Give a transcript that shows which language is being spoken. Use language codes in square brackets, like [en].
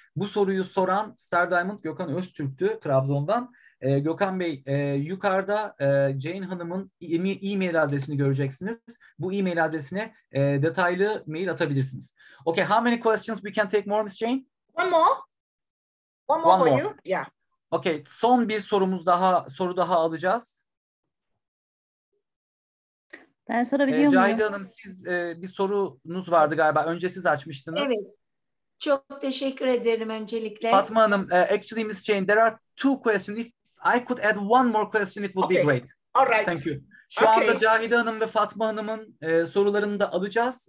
[tr] Bu soruyu soran Star Diamond Gökhan Öztürk'tü Trabzon'dan. Gökhan Bey, yukarıda Jane Hanım'ın e-mail adresini göreceksiniz. Bu e-mail adresine detaylı mail atabilirsiniz. [en] Okay, how many questions we can take more, Miss Jane? One more. You. Yeah. [tr] Okay, son bir sorumuz daha, soru daha alacağız. Ben sorabiliyor muyum? Cahide Hanım, siz bir sorunuz vardı galiba. Önce siz açmıştınız. Evet. Çok teşekkür ederim öncelikle. [en] Fatma Hanım, actually Miss Jane, there are two questions. If I could add one more question, it would be great. All right. Thank you. [tr] Şu anda Cahide Hanım ve Fatma Hanım'ın sorularını da alacağız.